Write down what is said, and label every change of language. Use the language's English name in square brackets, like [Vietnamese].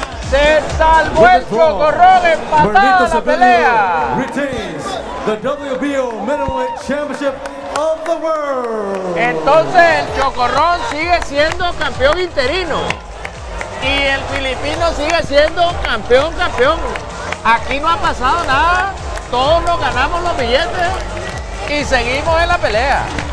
[Spanish] Se salvó el Chocorrón, empatada la pelea. [English] Retains the WBO Middleweight Championship of the World. [Spanish] Entonces el Chocorrón sigue siendo campeón interino y el filipino sigue siendo campeón. Aquí no ha pasado nada, todos nos ganamos los billetes y seguimos en la pelea.